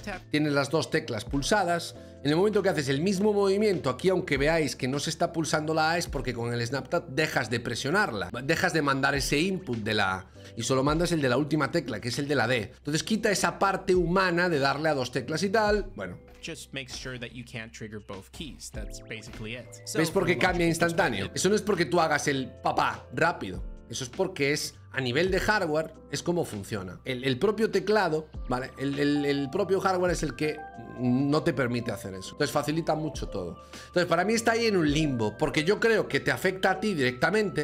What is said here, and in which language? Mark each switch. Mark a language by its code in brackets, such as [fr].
[es] Tienes las dos teclas pulsadas. En el momento que haces el mismo movimiento aquí, aunque veáis que no se está pulsando la A, es porque con el SnapTap dejas de presionarla. Dejas de mandar ese input de la A y solo mandas el de la última tecla, que es el de la D. Entonces quita esa parte humana de darle a dos teclas y tal. Bueno. [en] Just make sure that you can't trigger both keys. That's basically it. [es] ¿Ves por qué cambia instantáneo? Eso no es porque tú hagas el papá rápido. Eso es porque es a nivel de hardware, es como funciona. El propio teclado, ¿vale? El propio hardware es el que no te permite hacer eso. Entonces facilita mucho todo. Entonces para mí está ahí en un limbo, porque yo creo que te afecta a ti directamente.